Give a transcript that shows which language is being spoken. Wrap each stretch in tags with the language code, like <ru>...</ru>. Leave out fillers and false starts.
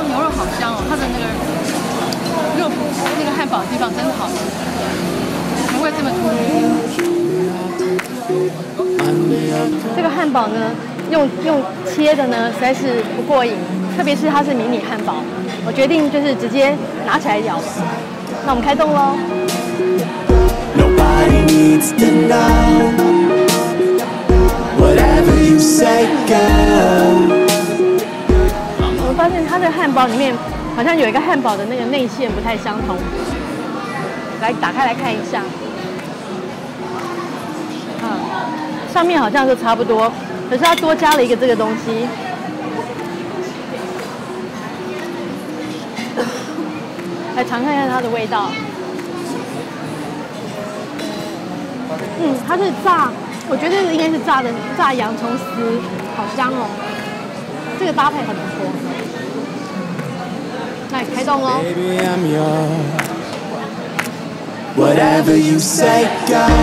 <zh>好香哦，它的那个肉，那个汉堡的地方真的好吃。怪这么突出。这个汉堡呢，用切的呢，实在是不过瘾，特别是它是迷你汉堡，我决定就是直接拿起来咬。那我们开动喽。</zh> <en>Nobody needs to know whatever you say, girl。</en> <zh>我们发现它的汉堡里面好像有一个汉堡的那个内馅不太相同，来打开来看一下。上面好像都差不多，可是它多加了一个这个东西。来尝看一下它的味道。它是炸，我觉得应该是炸的，炸洋葱丝，好香哦。这个搭配很不错。来开动哦。</zh> <en>Baby, I'm your whatever you say, go.</en>